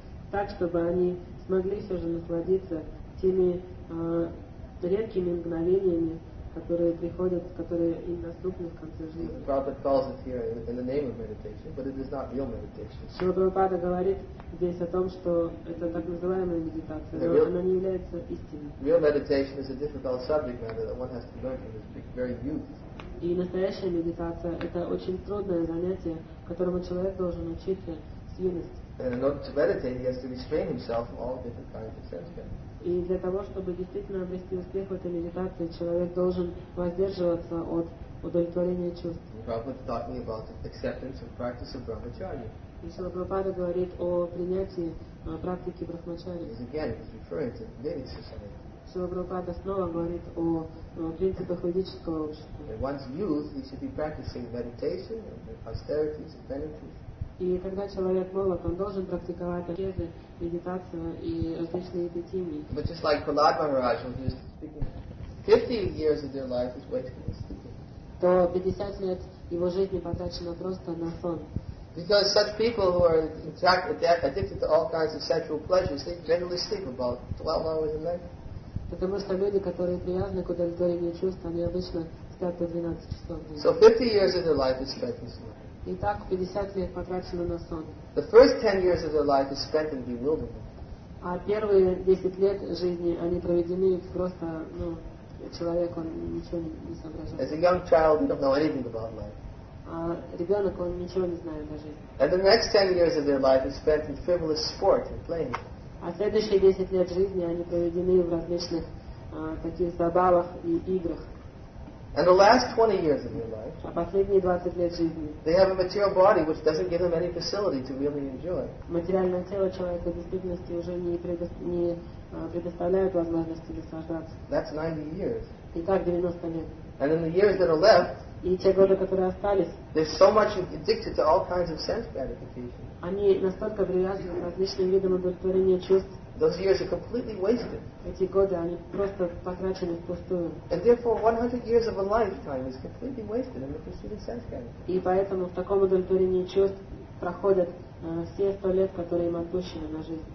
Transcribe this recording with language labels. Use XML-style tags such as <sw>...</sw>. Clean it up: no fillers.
<ru>Так, чтобы они смогли все же насладиться теми редкими мгновениями, которые приходят, которые им доступны в конце жизни.</ru> <en>The Prabhupada calls it here in the name of meditation, but it is not real meditation.</en> <ru>Шрила Прабхупада говорит здесь о том, что это так называемая медитация, но она не является истиной.</ru> <en>Real meditation is a difficult subject matter that one has to learn from his very youth.</en> <ru>И настоящая медитация – это очень трудное занятие, которому человек должен учиться с юности.</ru> <en>And in order to meditate, he has to restrain himself from all different kinds of sense gratification.</en> <ru>И для того, чтобы действительно обрести успех в этой медитации, человек должен воздерживаться от удовлетворения чувств.</ru> <en>Prabhupada is talking about acceptance of practice of brahmacharya.</en> <ru>И Шрила Прабхупада говорит о принятии практики брахмачарьи.</ru> <en>Again, he's referring to Vedic society.</en> <ru>Шрила Прабхупада снова говорит о принципах ведического общества.</ru> <en>In one's youth, he should be practicing meditation and austerities and penances.</en> <ru>И когда человек молод, он должен практиковать аскезы, медитацию и различные эпитимии.</ru> <en>But just like Prahlad Maharaj, when he was speaking, 50 years of their life is wasted.</en> <ru>То 50 лет его жизни потрачено просто на сон.</ru> <en>Because such people who are in fact addicted to all kinds of sexual pleasures, they generally sleep about 12 hours a night.</en> <ru>Потому что люди, которые привязаны к удовлетворению чувств, они обычно спят по 12 часов.</ru> <en>So 50 years of their life is spent in sleep.</en> <ru>Итак, 50 лет потрачено на сон.</ru> <en>The first 10 years of their life is spent in bewilderment.</en> <ru>А первые 10 лет жизни они проведены просто, человек он ничего не соображает.</ru> <en>As a young child, you don't know anything about life.</en> <ru>А ребенок он ничего не знает о жизни.</ru> <en>And the next 10 years of their life is spent in frivolous sport and playing.</en> <ru>А следующие 10 лет жизни они проведены в различных таких забавах и играх.</ru> <en>And the last 20 years of their life,</en> <ru>а последние 20 лет жизни,</ru> <en>they have a material body which doesn't give them any facility to really enjoy.</en> <ru>Материальное тело человека в действительности уже не предоставляет возможности наслаждаться.</ru> <en>That's 90 years.</en> <ru>Итак, 90 лет.</ru> <en>And in the years that are left,</en> <ru>и те годы, которые остались,</ru> <en>they're so much addicted to all kinds of sense gratification.</en> <ru>Они настолько привязаны к различным видам удовлетворения чувств.</ru> <en>Those years are completely wasted.</en> <ru>Эти годы они просто потрачены впустую.</ru> <en>And therefore, 100 years of a lifetime is completely wasted in the pursuit of sense gratification.</en> <ru>И поэтому в таком удовлетворении чувств проходят все 100 лет, которые им отпущены на жизнь.</ru>